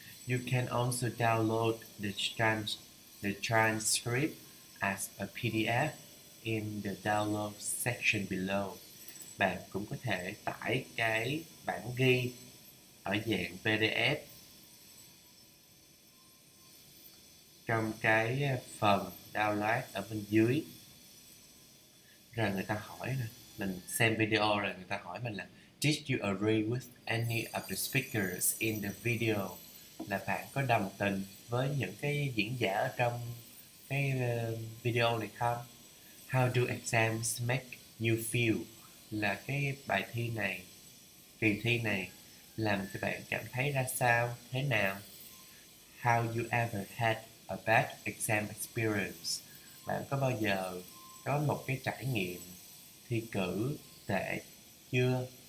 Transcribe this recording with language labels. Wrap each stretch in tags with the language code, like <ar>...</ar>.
<en>You can also download the transcript as a PDF in the download section below.</en> <vi>Bạn cũng có thể tải cái bản ghi ở dạng PDF trong cái phần download ở bên dưới. Rồi người ta hỏi là, mình xem video rồi người ta hỏi mình là</vi> <en>Did you agree with any of the speakers in the video?</en> <vi>Là bạn có đồng tình với những cái diễn giả ở trong cái video này không?</vi> <en>How do exams make you feel?</en> <vi>Là cái bài thi này, kỳ thi này làm cho bạn cảm thấy ra sao, thế nào?</vi> <en>How you ever had a bad exam experience?</en> <vi>Bạn có bao giờ có một cái trải nghiệm thi cử tệ chưa?</vi>